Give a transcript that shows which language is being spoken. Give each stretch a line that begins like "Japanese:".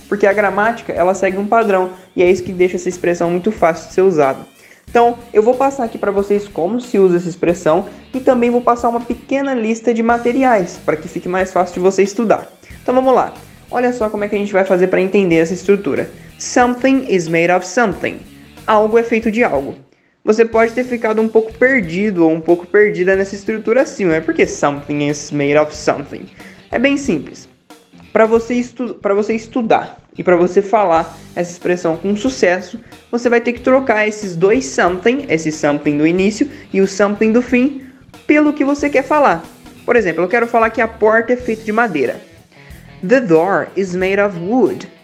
Portuguese: Porque a gramática, ela segue um padrão, e é isso que deixa essa expressão muito fácil de ser usada. Então, eu vou passar aqui para vocês como se usa essa expressão, e também vou passar uma pequena lista de materiais, para que fique mais fácil de você estudar. Então vamos lá. Olha só como é que a gente vai fazer para entender essa estrutura.
English: Something is made of something.
Portuguese: Algo é feito de algo. Você pode ter ficado um pouco perdido ou um pouco perdida nessa estrutura assim, não é? Porque
English: something is made of something.
Portuguese: É bem simples. Para você estudar e para você falar essa expressão com sucesso, você vai ter que trocar esses dois something, esse something do início e o something do fim, pelo que você quer falar. Por exemplo, eu quero falar que a porta é feita de madeira.
English: The door is made of wood.